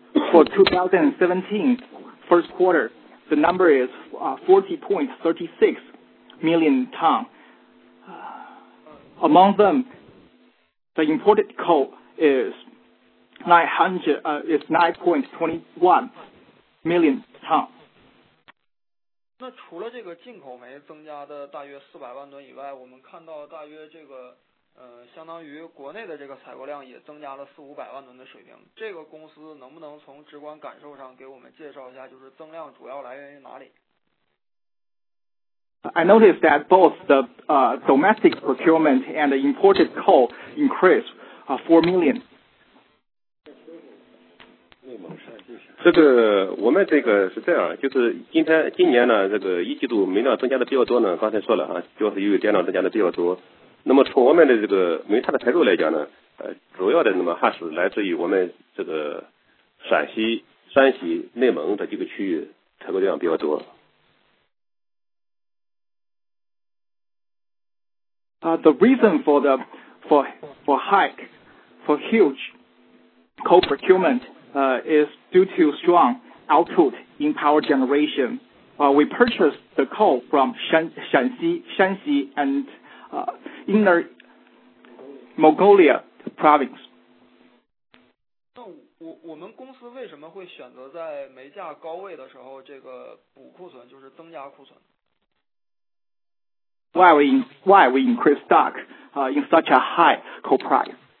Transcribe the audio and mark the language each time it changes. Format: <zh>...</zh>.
<en>For 2017 first quarter, the number is 40.36 million tons. Among them, the imported coal is 9.21 million tons.</en> <zh>那除了这个进口煤增加的大约400万吨以外，我们看到大约这个相当于国内的这个采购量也增加了400-500万吨的水平，这个公司能不能从直观感受上给我们介绍一下，就是增量主要来源于哪里？</zh> <en>I noticed that both the domestic procurement and the imported coal increased 4 million.</en> <zh>这个我们这个是这样，就是今年呢，这个一季度煤量增加的比较多呢，刚才说了哈，主要是由于电量增加的比较多。那么从我们的这个煤炭的采购来讲呢，主要的那么还是来自于我们这个山西、内蒙的这个区域采购量比较多。</zh> <en>The reason for huge coal procurement is due to strong output in power generation. We purchased the coal from Shanxi and Inner Mongolia province.</en> <zh>那我们公司为什么会选择在煤价高位的时候这个补库存，就是增加库存？</zh> <en>Why we increase stock in such a high coal price?</en>